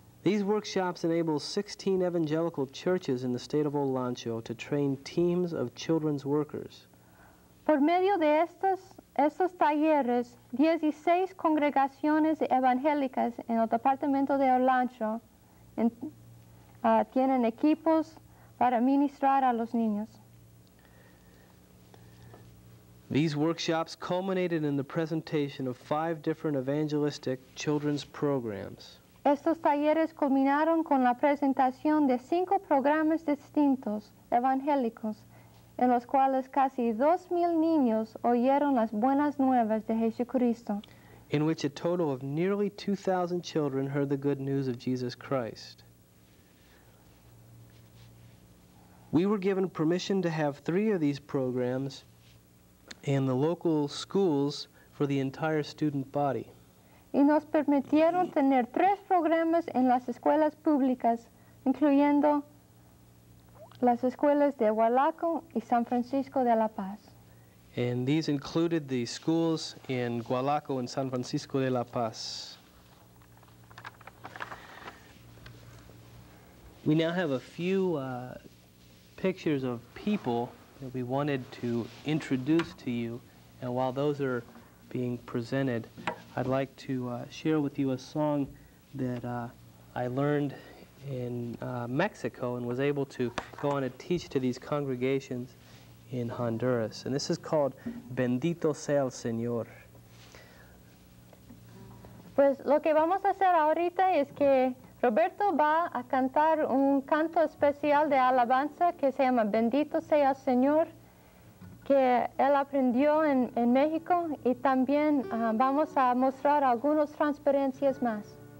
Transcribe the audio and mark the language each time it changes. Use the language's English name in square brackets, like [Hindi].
[English] These workshops enable 16 evangelical churches in the state of Olancho to train teams of children's workers. [Spanish] Por medio de estos talleres, 16 congregaciones evangélicas en el departamento de Olancho tienen equipos para ministrar a los niños. [English] These workshops culminated in the presentation of 5 different evangelistic children's programs. [Spanish] Estos talleres culminaron con la presentación de 5 programas distintos evangélicos, en los cuales casi 2,000 niños oyeron las buenas nuevas de Jesucristo. [English] In which a total of nearly 2,000 children heard the good news of Jesus Christ. We were given permission to have 3 of these programs in the local schools for the entire student body. [Spanish] Y nos permitieron tener 3 programas en las escuelas públicas, incluyendo las escuelas de Hualaco y San Francisco de la Paz. [English] And these included the schools in Hualaco and San Francisco de la Paz. We now have a few pictures of people that we wanted to introduce to you, and while those are being presented, I'd like to share with you a song that I learned in Mexico and was able to go on and teach to these congregations in Honduras. And this is called Bendito Sea el Señor. [Spanish] Pues lo que vamos a hacer ahorita es que Roberto va a cantar un canto especial de alabanza que se llama Bendito Sea el Señor, que él aprendió en México, y también vamos a mostrar algunas transparencias más.